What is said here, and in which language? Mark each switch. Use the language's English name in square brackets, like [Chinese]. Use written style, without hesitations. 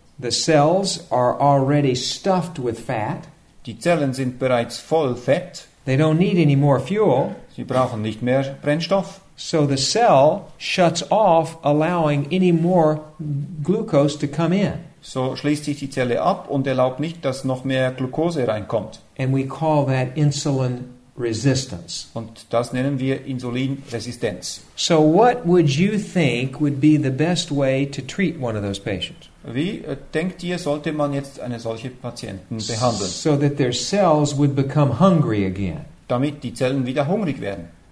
[English] The cells are already stuffed with fat. [German] Die Zellen sind bereits voll Fett. [English] They don't need any more fuel. [German] Sie brauchen nicht mehr Brennstoff. [English] So the cell shuts off, allowing any more glucose to come in. [German] So schließt sich die Zelle ab und erlaubt nicht, dass noch mehr Glucose reinkommt. [English] And we call that insulin resistance. [German] Und das nennen wir Insulinresistenz. [English] So what would you think would be the best way to treat one of those patients? [German] Wie denkt ihr, sollte man jetzt eine solche Patienten behandeln? [English] So that their cells would become hungry again. [German] Damit die Zellen wieder hungrig werden.